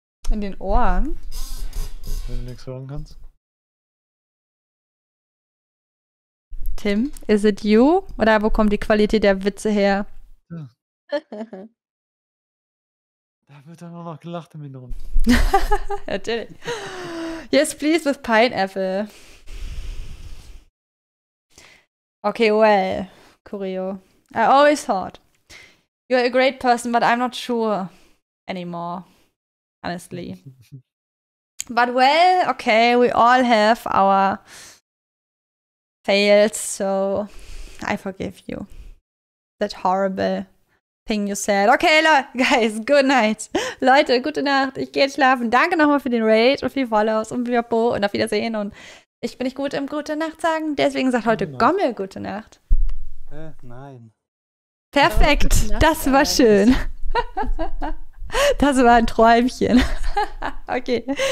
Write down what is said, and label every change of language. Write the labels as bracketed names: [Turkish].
[German] In den Ohren? Wenn du nichts hören kannst. [English] Tim, is it you? [German] Oder wo kommt die Qualität der Witze her? Ja. Da wird dann auch noch gelacht im Hintergrund. Natürlich. [English] Yes, please, with pineapple. Okay, well. Curio. I always thought you're a great person, but I'm not sure anymore. Honestly. But well, okay, we all have our fails, so I forgive you. That horrible thing you said. Okay, guys, good night. [German] Leute, gute Nacht. Ich gehe jetzt schlafen. Danke nochmal für den Raid und für die Follows und Wiapo und auf Wiedersehen. Und ich bin nicht gut im Gute Nacht sagen, deswegen sagt heute Gommel gute Nacht. Nein. Perfekt, das war schön. Das war ein Träumchen. Okay.